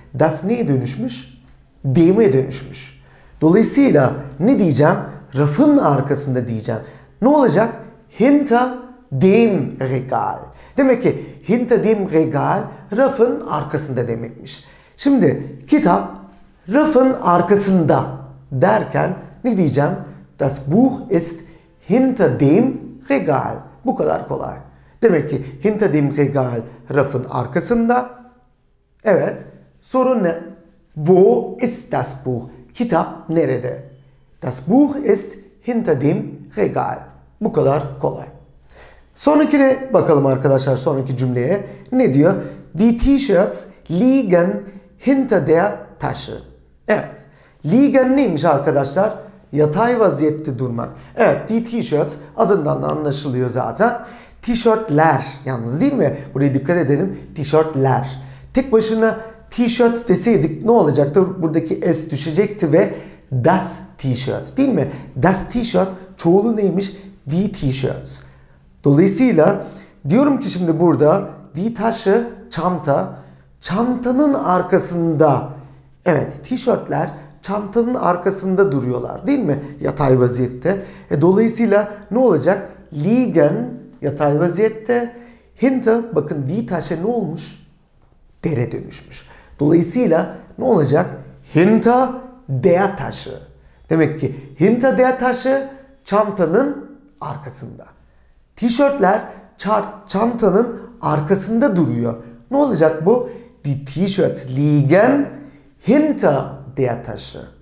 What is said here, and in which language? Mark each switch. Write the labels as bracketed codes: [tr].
[tr] Das neye dönüşmüş? Dem'e dönüşmüş. Dolayısıyla ne diyeceğim? Rafın arkasında diyeceğim. Ne olacak? [de] Hinter dem Regal. [tr] Demek ki [de] hinter dem Regal [tr] rafın arkasında demekmiş. Şimdi kitap rafın arkasında derken ne diyeceğim? [de] Das Buch ist hinter dem Regal. [tr] Bu kadar kolay. Demek ki [de] hinter dem Regal [tr] rafın arkasında. Evet. Sorun ne? [de] Wo ist das Buch? [tr] Kitap nerede? [de] Das Buch ist hinter dem Regal. [tr] Bu kadar kolay. Sonrakine bakalım arkadaşlar, sonraki cümleye. Ne diyor? [de] Die T-shirts liegen hinter der Tasche. [tr] Evet. Liegen neymiş arkadaşlar? Yatay vaziyette durmak. Evet, die T-shirts adından da anlaşılıyor zaten. T-shirtler yalnız, değil mi? Buraya dikkat edelim. T-shirtler. Tek başına T-shirt deseydik ne olacaktı? Buradaki S düşecekti ve [de] das T-shirt, [tr] değil mi? [de] Das T-shirt [tr] çoğulu neymiş? [de] Die T-shirts. [tr] Dolayısıyla diyorum ki şimdi burada [de] die Tasche, [tr] çanta. Çantanın arkasında, evet, T-shirtler çantanın arkasında duruyorlar, değil mi? Yatay vaziyette. Dolayısıyla ne olacak? Liegen, yatay vaziyette. Hinter, bakın [de] die Tasche [tr] ne olmuş? Dere dönüşmüş. Dolayısıyla ne olacak? [de] Hinter der Tasche. [tr] Demek ki [de] hinter der Tasche [tr] çantanın arkasında. T-shirtler çantanın arkasında duruyor. Ne olacak bu? [de] Die T-shirts liegen hinter der Tasche.